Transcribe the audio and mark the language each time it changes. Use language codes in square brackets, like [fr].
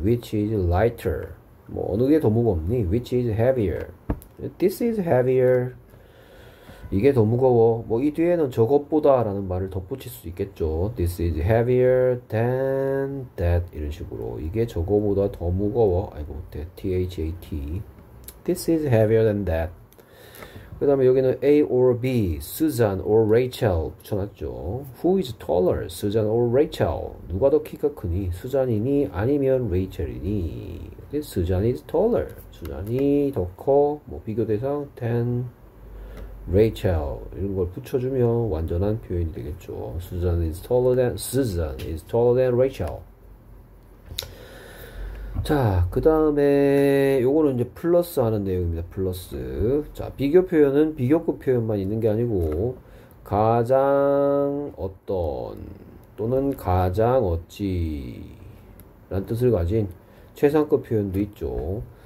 [en] which is lighter. [ko] 뭐 어느 게더 무겁니? [en] which is heavier. this is heavier. [ko] 이게 더 무거워. 뭐이 뒤에는 저것보다라는 말을 덧붙일 수 있겠죠. [en] this is heavier than that [ko] 이런 식으로 이게 저거보다 더 무거워. 아이고, that. that. [en] This is heavier than that. [ko] 그 다음에 여기는 A or B, Susan or Rachel 붙여놨죠. [en] Who is taller, Susan or Rachel? [ko] 누가 더 키가 크니? Susan이니 아니면 Rachel이니? [en] Susan is taller. [ko] Susan이 더 커. 뭐 비교 대상 than Rachel 이런 걸 붙여주면 완전한 표현이 되겠죠. [en] Susan is taller than Rachel. [ko] 자, 그 다음에 요거는 이제 플러스 하는 내용입니다. 플러스. 자, 비교 표현은 비교급 표현만 있는 게 아니고 가장 어떤 또는 가장 어찌 라는 뜻을 가진 최상급 표현도 있죠.